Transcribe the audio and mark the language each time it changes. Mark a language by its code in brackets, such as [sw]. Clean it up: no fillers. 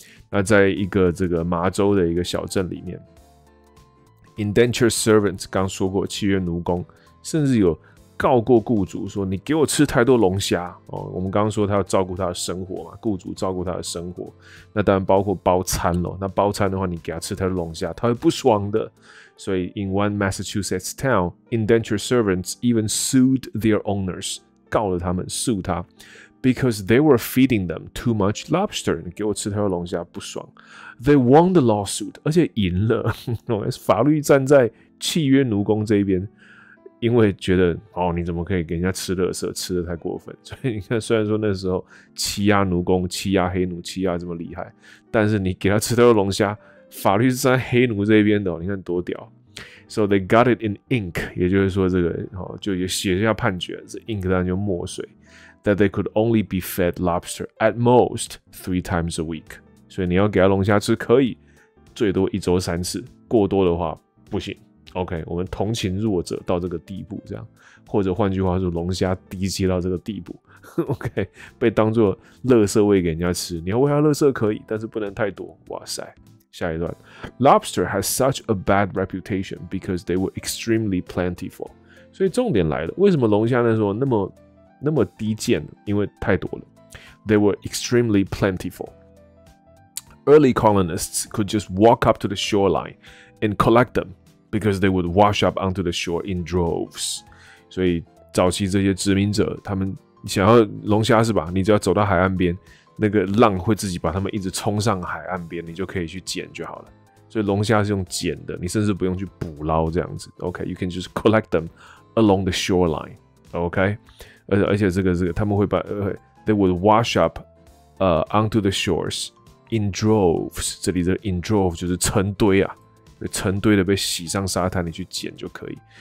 [zh] 那在一个这个麻州的一个小镇里面。Indentured servants 刚说过契约奴工，甚至有告过雇主说你给我吃太多龙虾、哦、我们刚刚说他要照顾他的生活嘛，雇主照顾他的生活，那当然包括包餐咯，那包餐的话你给他吃太多龙虾他会不爽的。 [en] 所以 in one Massachusetts town, indentured servants even sued their owners, [zh] 告了他们 [en] sue 他 because they were feeding them too much lobster, [zh] 你给我吃太多龙虾不爽。 [en] They won the lawsuit, [zh] 而且赢了。法律站在契约奴工这一边，因为觉得哦，你怎么可以给人家吃垃圾，吃的太过分。所以你看，虽然说那时候欺压奴工、欺压黑奴、欺压这么厉害，但是你给他吃到龙虾，法律是站在黑奴这一边的、哦，你看多屌。 [en] So they got it in ink, [zh] 也就是说这个、哦、就也写下判决，这 ink 当然就墨水 [en] ，that they could only be fed lobster at most 3 times a week. [zh] 所以你要给他龙虾吃可以，最多一周三次，过多的话不行。 OK， 我们同情弱者到这个地步，这样，或者换句话说，龙虾低级到这个地步 ，OK， 被当作垃圾喂给人家吃，你要喂它垃圾可以，但是不能太多。哇塞，下一段 [en] ，Lobster has such a bad reputation because they were extremely plentiful。 [zh] 所以重点来了，为什么龙虾那时候那么低贱呢？因为太多了。 [en] They were extremely plentiful. Early colonists could just walk up to the shoreline and collect them. Because they would wash up onto the shore in droves. [zh] 所以早期这些殖民者，他们想要龙虾是吧？你只要走到海岸边，那个浪会自己把他们一直冲上海岸边，你就可以去捡就好了。所以龙虾是用捡的，你甚至不用去捕捞这样子。 [en] Okay, you can just collect them along the shoreline. Okay, [zh] 而且这个他们会把 [en] they would wash up, onto the shores in droves. [zh] 这里的 in droves 就是成堆啊。成堆的被洗上沙滩，你去捡就可以。